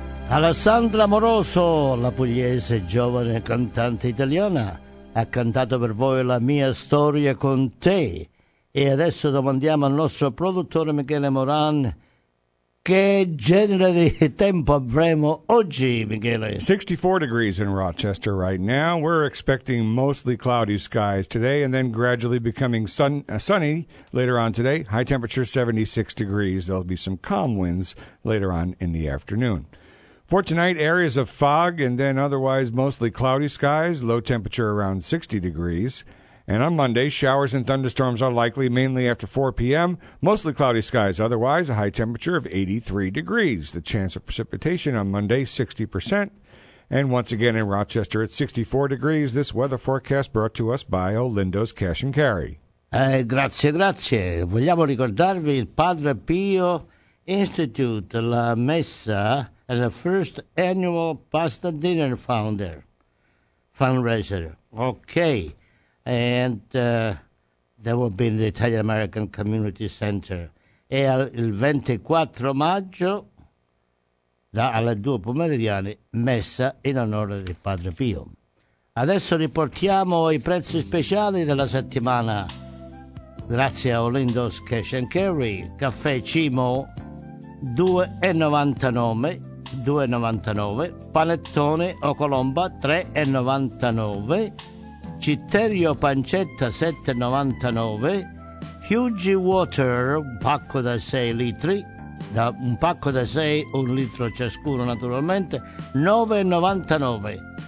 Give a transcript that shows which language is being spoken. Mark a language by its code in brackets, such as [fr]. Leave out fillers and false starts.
[it] Alessandra Moroso, la pugliese giovane cantante italiana, ha cantato per voi La mia storia con te. E adesso domandiamo al nostro produttore Michele Moran che genere di tempo avremo oggi, Michele. [en] 64 degrees in Rochester right now. We're expecting mostly cloudy skies today and then gradually becoming sunny later on today. High temperature 76 degrees. There'll be some calm winds later on in the afternoon. For tonight, areas of fog and then otherwise mostly cloudy skies, low temperature around 60 degrees. And on Monday, showers and thunderstorms are likely mainly after 4 p.m., mostly cloudy skies, otherwise a high temperature of 83 degrees. The chance of precipitation on Monday, 60%. And once again in Rochester at 64 degrees, this weather forecast brought to us by Olindo's Cash and Carry. [it] Grazie. Vogliamo ricordarvi il Padre Pio Institute, la messa, [en] and the first annual pasta dinner fundraiser. Okay. And that will be in the Italian American Community Center. [it] E il 24 maggio, da alle 2 pomeridiane, messa in onore di Padre Pio. Adesso riportiamo i prezzi speciali della settimana. Grazie a Olindo's Cash and Carry. Caffè Cimo, €2,99, panettone o colomba €3,99, citterio pancetta €7,99, Fuji Water un pacco da 6, un litro ciascuno naturalmente, €9,99,